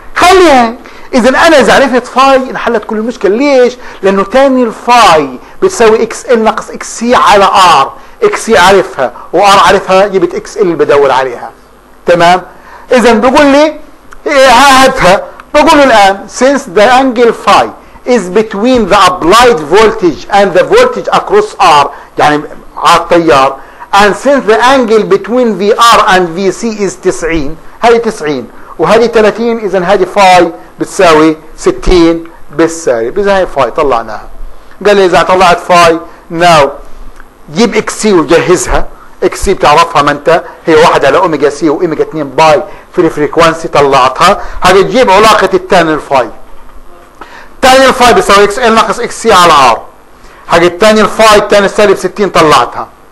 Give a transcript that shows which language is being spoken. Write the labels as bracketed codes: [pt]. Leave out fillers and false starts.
[ar] خليها اذا انا اذا عرفت فاي انحلت كل المشكله، ليش؟ لانه ثاني الفاي بتساوي اكس ال ناقص اكس سي على ار، اكس سي عارفها وار عارفها، جبت اكس ال بدور عليها، تمام. اذا بقول لي هاتها، بقول الان سينس ذا انجل فاي [en] is between the applied voltage and the voltage across R, يعني على التيار, and since the angle between VR and VC is 90, هذه 90 وهذه 30, إذا هذه phi بتساوي 60 بالساري, إذا هي phi طلعناها. [ar] قال لي إذا طلعت phi now جيب XC وجهزها. XC بتعرفها ما أنت, هي واحد على أوميجا C وأوميجا 2 باي في الفريكوانسي, طلعتها. هذه تجيب علاقة التان الفاي, تاني الفاي بيساوي XL ناقص XC على R, حق التاني الفاي التاني السالب 60 طلعتها.